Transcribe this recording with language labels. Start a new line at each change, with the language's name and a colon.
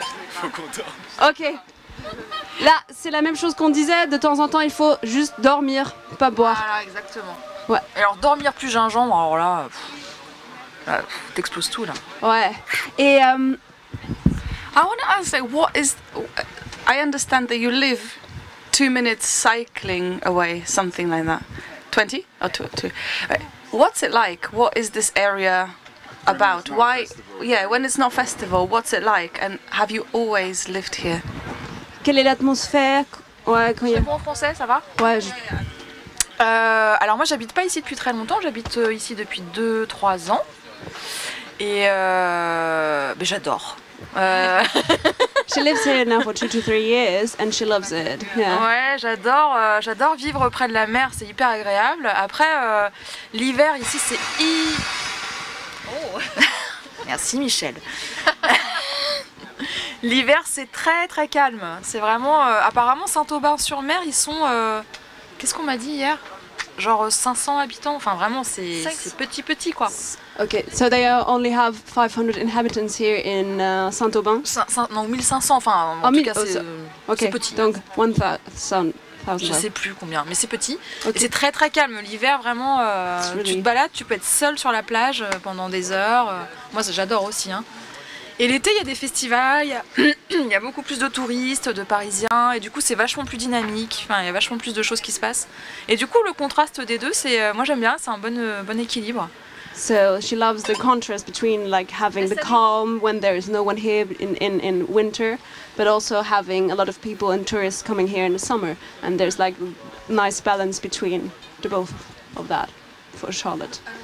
French: Faut qu'on dorme. Ok. Là, c'est la même chose qu'on disait. De temps en temps, il faut juste dormir, pas boire. Voilà, exactement. Ouais. Alors, dormir plus gingembre, alors là, t'exploses tout, là. Ouais. Et
English: I want to ask, like, what is... I understand that you live 2 minutes cycling away, something like that. 20? Or two. What's it like? What is this area about? Why? Festival. Yeah, when it's not festival, what's it like? And have you always lived here?
French: Quelle est l'atmosphère? Ouais, quand il y a... C'est bon en français, ça va? Ouais, je... Alors moi, j'habite pas ici depuis très longtemps. J'habite ici depuis 2-3 ans. Et mais j'adore.
English: She lives here now for 2-3 years and she loves it. Yeah.
French: Ouais, j'adore vivre près de la mer. C'est hyper agréable. Après, l'hiver ici, c'est Merci Michel. L'hiver, c'est très très calme. C'est vraiment apparemment Saint-Aubin-sur-Mer, ils sont qu'est-ce qu'on m'a dit hier? Genre 500 habitants. Enfin, vraiment, c'est petit quoi.
English: Okay, so they only have 500 inhabitants here in Saint-Aubin.
French: Non, 1500, enfin, en tout cas, c'est petit. Donc, 1000. Je sais plus combien, mais c'est petit. Okay. C'est très très calme. L'hiver, vraiment, tu te balades, tu peux être seule sur la plage pendant des heures. Moi, ça, j'adore aussi. Hein. Et l'été, il y a des festivals, il y a beaucoup plus de touristes, de Parisiens, et du coup, c'est vachement plus dynamique. Enfin, il y a vachement plus de choses qui se passent. Et du coup, le contraste des deux, c'est, moi, j'aime bien. C'est un bon équilibre.
English: So she loves the contrast between like having the calm when there is no one here in winter, but also having a lot of people and tourists coming here in the summer, and there's like nice balance between the both of that for Charlotte.